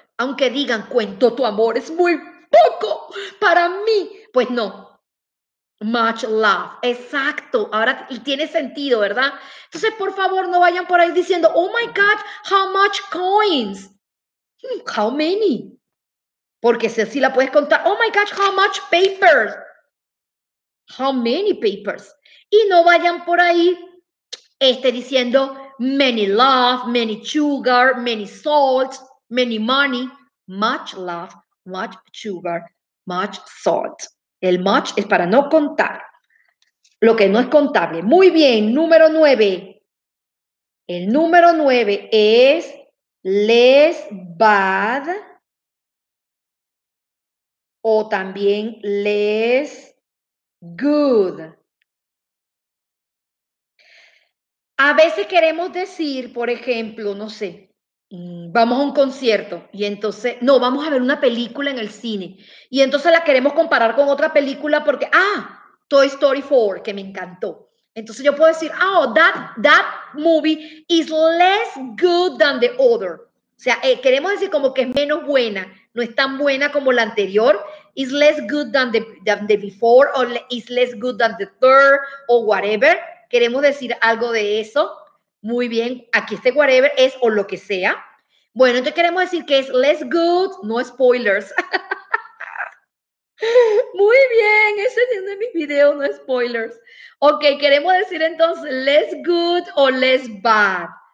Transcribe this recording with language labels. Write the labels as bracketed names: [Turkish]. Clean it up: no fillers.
[Spanish] Aunque digan, cuento tu amor, es muy poco para mí. Pues no. Much love. Exacto. Ahora tiene sentido, ¿verdad? Entonces, por favor, no vayan por ahí diciendo, [English] oh my God, how much coins? How many? [Spanish] Porque si así la puedes contar. [English] Oh my gosh, how much papers? How many papers? [Spanish] Y no vayan por ahí diciendo [English] many love, many sugar, many salt, many money. Much love, much sugar, much salt. [Spanish] El much es para no contar lo que no es contable. Muy bien, número 9. El número 9 es less bad o también less good. A veces queremos decir, por ejemplo, no sé, vamos a un concierto y entonces, no, vamos a ver una película en el cine y entonces la queremos comparar con otra película porque, Toy Story 4, que me encantó. Entonces yo puedo decir, [English] that movie is less good than the other. [Spanish] O sea, queremos decir como que es menos buena, no es tan buena como la anterior. [English] Is less good than the before, or is less good than the third, or whatever. [Spanish] Queremos decir algo de eso. Muy bien, aquí este whatever es o lo que sea. Bueno, entonces queremos decir que es less good, no spoilers. Muy bien, ese es uno de mis videos, no spoilers. Ok, queremos decir entonces less good o less bad.